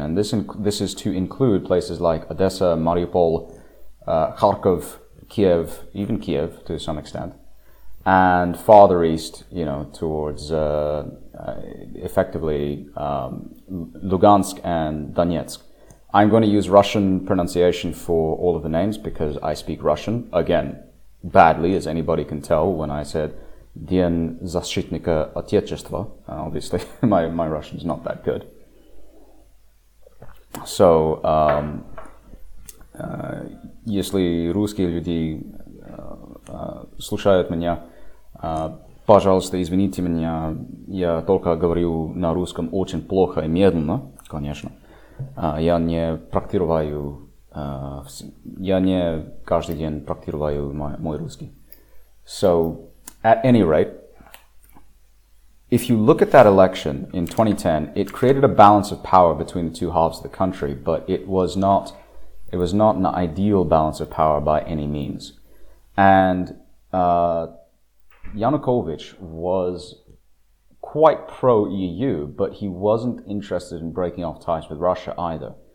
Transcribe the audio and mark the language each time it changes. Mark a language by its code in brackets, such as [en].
[en] And this is to include places like Odessa, Mariupol, Kharkov, Kiev, even Kiev to some extent, and farther east, you know, towards Lugansk and Donetsk. I'm going to use Russian pronunciation for all of the names because I speak Russian, again, badly, as anybody can tell when I said Den Zashchitnika Otechestva. Obviously, my Russian is not that good. [ru] So, если русские люди слушают меня, пожалуйста, извините меня, я только говорю на русском очень плохо и медленно, конечно. Я не каждый день практикую мой русский. [en] So, at any rate, if you look at that election in 2010, it created a balance of power between the two halves of the country, but it was not an ideal balance of power by any means. And Yanukovych was quite pro-EU, but he wasn't interested in breaking off ties with Russia either.